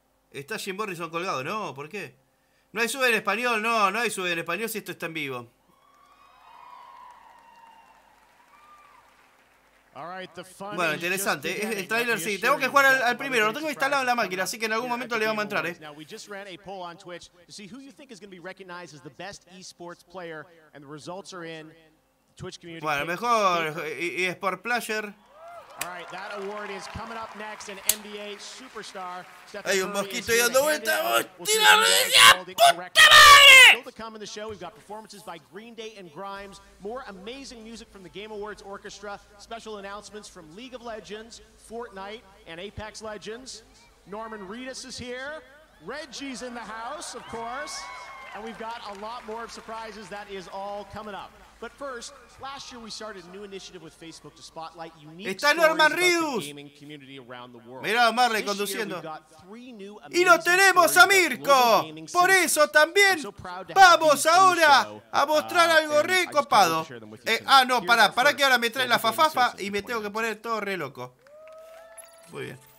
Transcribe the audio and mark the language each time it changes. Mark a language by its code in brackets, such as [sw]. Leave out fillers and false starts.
[es] Está Jim Morrison colgado, ¿no? ¿Por qué? No hay sube en español, no, no hay sube en español si esto está en vivo. Bueno, interesante. El trailer sí. Tengo que jugar al primero. Lo tengo instalado en la máquina, así que en algún momento le vamos a entrar, ¿eh? [en] We just ran a poll on Twitch to see who you think is going to be recognized as the best esports player, and the results are in. Twitch community. [es] Bueno, mejor esport player. [en] All right, that award is coming up next, an NBA superstar. [es] Hay un mosquito dando vuelta. ¡Puta madre! [en] Still to come in the show, we've got performances by Green Day and Grimes, more amazing music from the Game Awards Orchestra, special announcements from League of Legends, Fortnite, and Apex Legends. Norman Reedus is here. Reggie's in the house, of course. And we've got a lot more of surprises. That is all coming up. But first, last year we started a new initiative with Facebook to spotlight unique stories about the gaming community around the world. [es] Mirá, Marley conduciendo. Y lo tenemos a Mirko. Por eso también vamos ahora a mostrar algo re copado. No, para que ahora me trae la fafafa y me tengo que poner todo re loco. Muy bien.